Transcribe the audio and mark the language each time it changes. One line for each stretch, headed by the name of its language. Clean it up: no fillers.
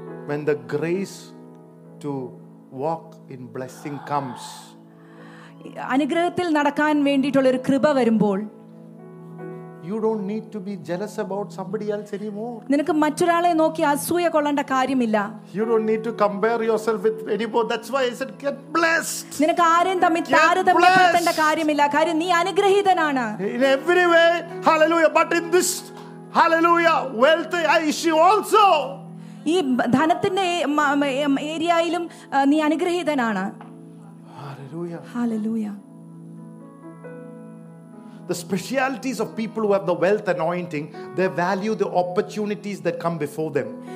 English: when the grace to walk in blessing comes
Malayalam: anugrahathil nadakkan vendittulla oru kripa varumbol
English: You don't need to be jealous about somebody else anymore.
Malayalam: നിനക്ക് മറ്റൊരാളെ നോക്കി അസൂയ കൊള്ളേണ്ട കാര്യമില്ല.
English: You don't need to compare yourself with anybody. That's why I said get blessed.
Malayalam: നിനക്ക് ആരെയും തമ്മിൽ താരതമ്യപ്പെടുത്തേണ്ട കാര്യമില്ല. കാര്യം നീ അനുഗ്രഹീതനാണ്.
English: In every way, hallelujah. But in this, hallelujah, wealth issue also.
Malayalam: ഈ ധനത്തിന്റെ ഏരിയയിലും നീ അനുഗ്രഹീതനാണ്.
English: Hallelujah. Hallelujah. the specialties of people who have the wealth anointing, they value the opportunities that come before them.